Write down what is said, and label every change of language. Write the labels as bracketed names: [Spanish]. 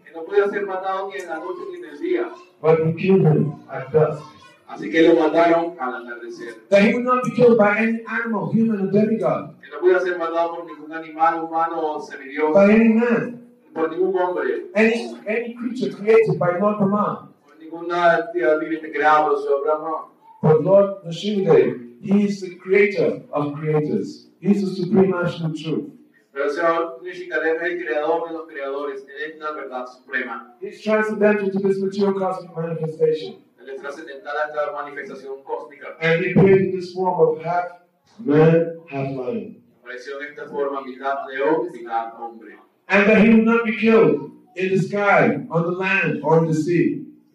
[Spanish] No podía ser matado ni en la noche ni en el día. [English] But he killed him at dusk. [Spanish] Así que lo mataron al atardecer. [English] That he would not be killed by any animal, human or demigod. [Spanish] Que no podía ser matado por ningún animal humano o semidios. [English] By any man. [Spanish] Por ningún hombre. [English] Any creature created by Lord Brahma. [Spanish] Por ninguna viviente creada por Señor Brahma. [English] But Lord Rishikadev, he is the creator of creators. He is the supreme national truth. [Spanish] Pero Señor Rishikadev es el creador de los creadores. Él es la verdad suprema. [English] He is transcendental to this material cosmic manifestation. [Spanish] Él es trascendental a esta manifestación cósmica. [English] And he appeared in this form of half man, half lion. [Spanish] Apareció en esta forma mitad león, mitad hombre. [English] And that he would not be killed in the sky, on the land, or in the sea.